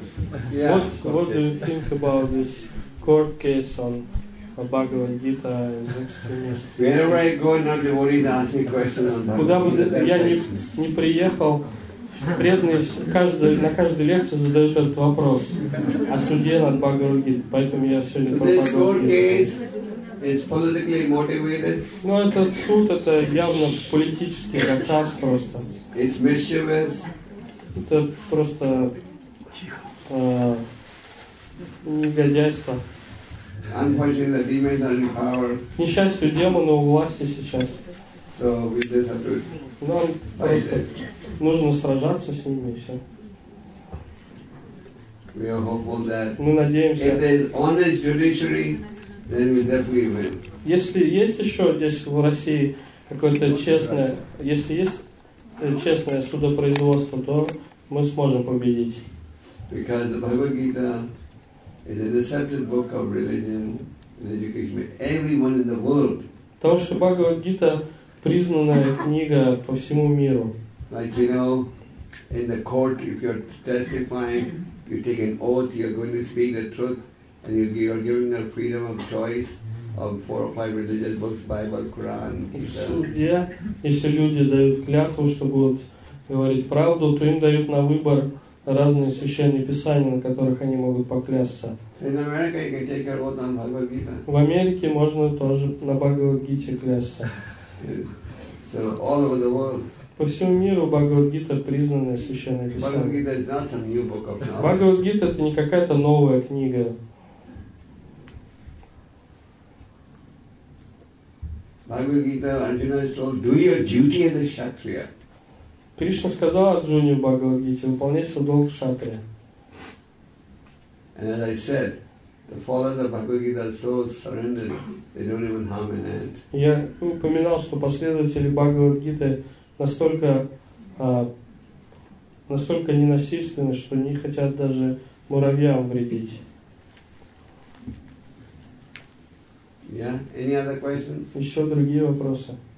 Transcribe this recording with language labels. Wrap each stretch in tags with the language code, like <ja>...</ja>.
<en>What do you think about this court case on Bhagavad Gita and extremists? Wherever I go, not devotees ask me questions on Bhagavad Gita.</en> <ru>Куда бы я ни приехал, преданные на каждой лекции задают этот вопрос о суде над Бхагавад Гитой, поэтому я сегодня про Бхагавад Гиту.</ru> <en>Is politically motivated.</en> <ru>Ну, этот суд — это явно политический заказ просто.</ru> <en>It's mischievous.</en> <ru>Это просто негодяйство.</ru> <en>Unfortunately, the demons are in power.</en> <ru>Несчастью, демоны у власти сейчас.</ru> <en>So we just have to.</en> <ru>Нам просто нужно сражаться с ними и все.</ru> <en>We are hopeful that.</en> <ru>Мы надеемся.</ru> <en>If there is honest judiciary. Then we definitely win.</en> <ru>Если есть еще здесь в России какое-то честное, если есть честное судопроизводство, то мы сможем победить.</ru> <en>Because the Bhagavad Gita is an accepted book of religion and education by everyone in the world.</en> <ru>Потому что Бхагавад Гита признанная книга по всему миру.</ru> <en>Like you know, in the court, if you're testifying, you take an oath, you're going to speak the truth. And you're giving them freedom of choice of four or five religious books, Bible, Quran.</en> <ru>Суде, если люди дают клятву, что будут говорить правду, то им дают на выбор разные священные писания, на которых они могут поклясться.</ru> <en>In America, you can take your oath on Bhagavad Gita.</en> <ru>В Америке можно тоже на Бхагавад Гите клясться.</ru> <en>So all over the world.</en> <ru>По всему миру Бхагавад-гита признанная священная писание.</ru> <en>Бхагавад-гита is not some new book of knowledge.</en> <ru>Бхагавад-гита — это не какая-то новая книга.</ru> <en>Bhagavad Gita, Arjuna is told, do your duty as a kshatriya.</en> <ru>Кришна сказал Арджуне в Бхагавад-гите, выполняй свой долг кшатрия.</ru> <en>And as I said, The followers of Bhagavad Gita are so surrendered, they don't even harm an ant.</en> <ru>Я упоминал, что последователи Бхагавад Гиты настолько ненасильственны, что не хотят даже муравьям вредить.</ru> <en>Yeah. Any other questions?</en> <ru>Еще другие вопросы?</ru>